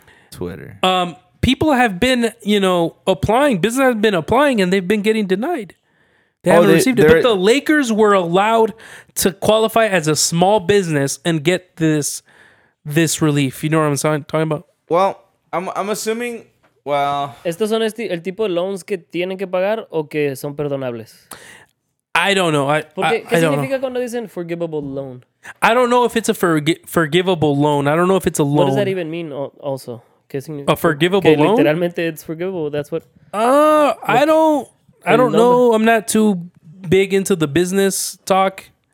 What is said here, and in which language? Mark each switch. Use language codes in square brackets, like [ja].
[en] Twitter. People have been, you know, applying. Business has been applying, and they've been getting denied. They haven't received it. But the Lakers were allowed to qualify as a small business and get this relief. You know what I'm talking about? Well, I'm assuming... Well, [es] ¿estos son el tipo de loans que tienen que pagar o que son perdonables? [en] I don't know. [es] Cuando dicen [en] forgivable loan? I don't know if it's a forgivable loan. I don't know if it's a loan. What does that even mean also? A forgivable loan? Literalmente it's forgivable. That's what... I don't know. I'm not too big into the business talk.